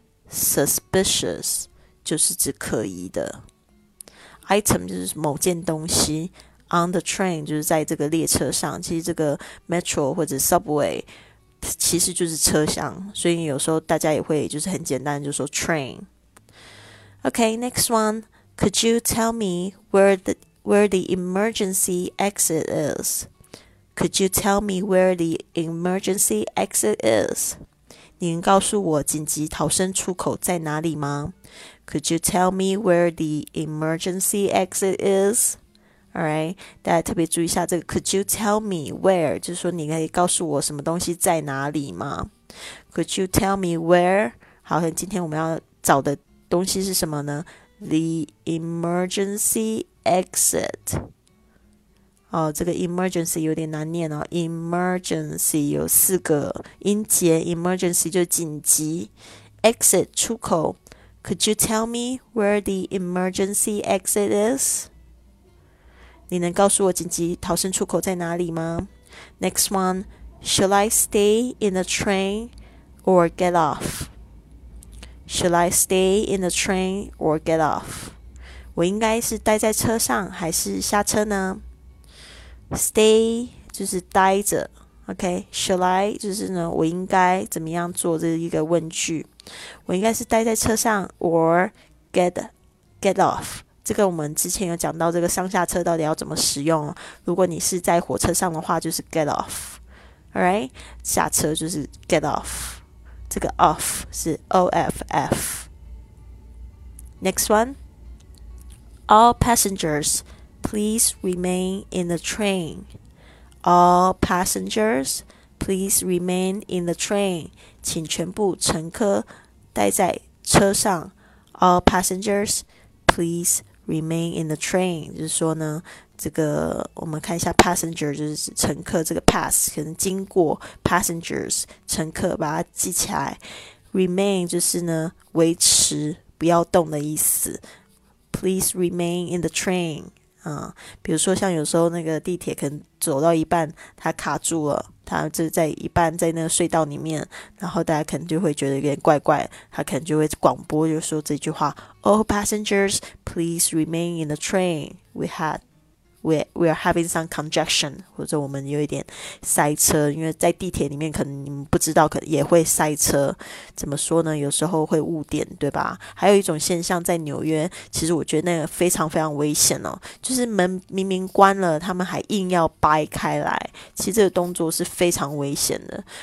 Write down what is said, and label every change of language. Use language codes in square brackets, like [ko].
[zh] Suspicious 就是指可疑的。 Item 就是某件东西。 [en] On the train [zh] 就是在这个列车上。其实这个 metro 或者 subway 其实就是车厢，所以有时候大家也会就是很简单就说 train。 [en] OK, next one. Could you tell me where the emergency exit is? Could you tell me where the emergency exit is? [zh] 你能告诉我紧急逃生出口在哪里吗？ [en] Could you tell me where the emergency exit is? [zh] Alright, 大家特别注意一下这个 [en] Could you tell me where? [zh] 就是说你可以告诉我什么东西在哪里吗？ [en] Could you tell me where? [zh] 好，今天我们要找的东西是什么呢？ [en] The emergency exit。 [zh] 哦，这个 emergency 有点难念哦。emergency 有四个音节， emergency 就是紧急， exit 出口。 [en] Could you tell me where the emergency exit is? [zh] 你能告诉我紧急逃生出口在哪里吗？ [en] Next one. Shall I stay in the train or get off? Shall I stay in the train or get off? [zh] 我应该是待在车上还是下车呢？Stay 就是待着 ，OK. Shall I 就是呢，我应该怎么样做？这是一个问句。我应该是待在车上 ， [en] or get off。 [zh] 这个我们之前有讲到，这个上下车到底要怎么使用？如果你是在火车上的话，就是 get off。 All right， 下车就是 get off。 这个 off 是 off。 [en] Next one， all passengers。 Please remain in the train. All passengers, please remain in the train. [zh] 请全部乘客待在车上。 [en] All passengers, please remain in the train. [zh] 就是说呢，这个我们看一下 passenger 就是乘客，这个 pass 可能经过 passengers 乘客，把它记起来。 Remain 就是呢维持，不要动的意思。 [en] Please remain in the train. [zh] 比如说像有时候那个地铁可能走到一半它卡住了，它就在一半在那个隧道里面，然后大家可能就会觉得有点怪怪，它可能就会广播就说这句话 [en] All passengers please remain in the train. We are having some congestion. [zh] 或者我们有一点塞车，因为在地铁里面可能你们不知道可能也会塞车。怎么说呢，有时候会误点，对吧？还有一种现象在纽约，其实我觉得那个非常非常危险哦，就是门明明关了他们还硬要掰开来，其实这个动作是非常危险的。